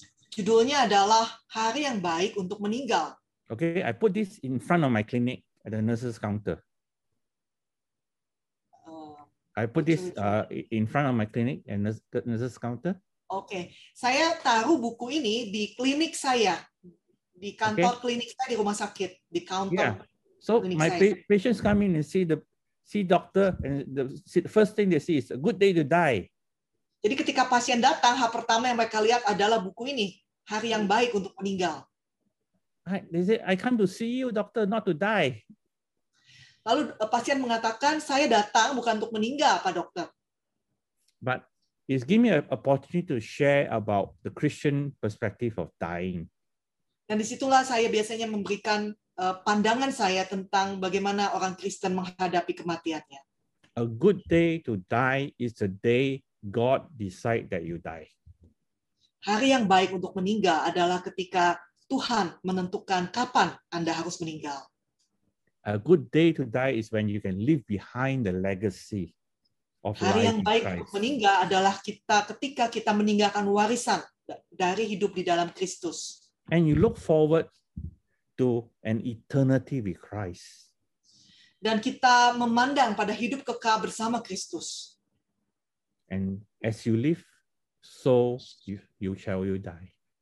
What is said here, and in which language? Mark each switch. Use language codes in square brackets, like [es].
[id] Judulnya adalah Hari yang Baik untuk Meninggal. [en] Okay, I put this in front of my clinic at the nurse's counter. I put this in front of my clinic and nurse's counter. [id] Okay, saya taruh buku ini di klinik saya, di kantor okay. Klinik saya di rumah sakit, di counter. [en] Yeah. So my patients come in and see doctor and the first thing they see is a good day to die. [id] Jadi ketika pasien datang, hal pertama yang mereka lihat adalah buku ini, Hari yang Baik untuk Meninggal. [en] They say, I come to see you, doctor, not to die. [id] Lalu pasien mengatakan, saya datang bukan untuk meninggal, Pak Dokter. [en] But it's give me an opportunity to share about the Christian perspective of dying. [id] Dan disitulah saya biasanya memberikan pandangan saya tentang bagaimana orang Kristen menghadapi kematiannya. [en] A good day to die is a day God decide that you die. [id] Hari yang baik untuk meninggal adalah ketika Tuhan menentukan kapan Anda harus meninggal. [en] A good day to die is when you can leave behind the legacy of [id] hari yang [en] in [id] baik [en] Christ. [id] Meninggal adalah kita ketika kita meninggalkan warisan dari hidup di dalam Kristus. [en] And you look forward to an eternity with Christ. [id] Dan kita memandang pada hidup kekal bersama Kristus. [en] And as you live, so you shall you die.